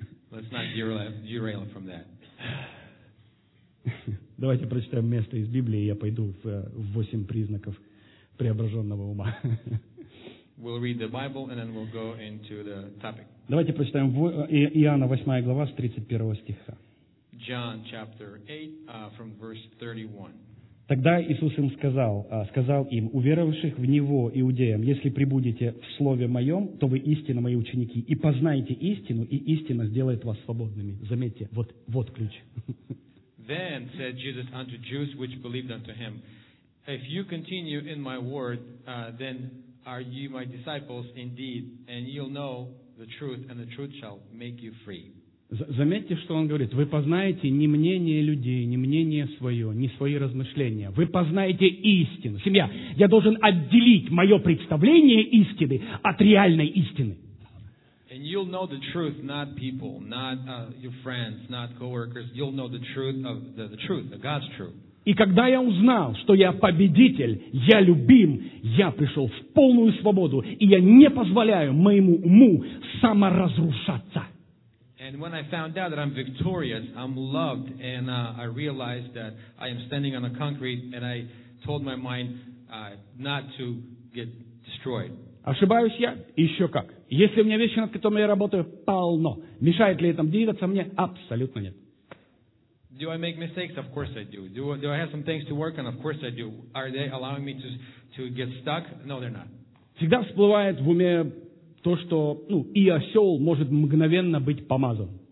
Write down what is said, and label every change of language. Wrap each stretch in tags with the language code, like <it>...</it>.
<en>Let's not derail from that.</en> <ru>Давайте прочитаем место из Библии, и я пойду в 8 признаков преображенного ума.</ru> <en>We'll read the Bible and then we'll go into the topic.</en> <ru>Давайте прочитаем Иоанна 8 глава с 31 стиха.</ru> <en>John chapter 8 from verse 31.</en> <ru>Тогда Иисус им сказал им, уверовавших в Него, иудеям, если прибудете в Слове Моем, то вы истинно Мои ученики, и познайте истину, и истина сделает вас свободными. Заметьте, вот ключ.</ru> <en>Then said Jesus unto Jews which believed unto Him, if you continue in My word, then are you My disciples indeed, and you'll know the truth, and the truth shall make you free.</en> <ru>Заметьте, что он говорит. Вы познаете не мнение людей, не мнение свое, не свои размышления. Вы познаете истину. Семья, я должен отделить мое представление истины от реальной истины.</ru> <en>And you'll know the truth, not people, not your friends, not coworkers. You'll know the truth of the truth, the God's truth.</en> <ru>И когда я узнал, что я победитель, я любим, я пришел в полную свободу, и я не позволяю моему уму саморазрушаться.</ru> <en>And when I found out that I'm victorious, I'm loved, and I realized that I am standing on the concrete, and I told my mind not to get destroyed.</en> <ru>Ошибаюсь я? Еще как. Если у меня вещи, над которыми я работаю, полно. Мешает ли это двигаться мне? Абсолютно нет.</ru> <en>Do I make mistakes? Of course I do. Do I have some things to work on? Of course I do. Are they allowing me to get stuck? No, they're not.</en> <ru>Всегда всплывает в уме то, что и осел может мгновенно быть помазан.</ru>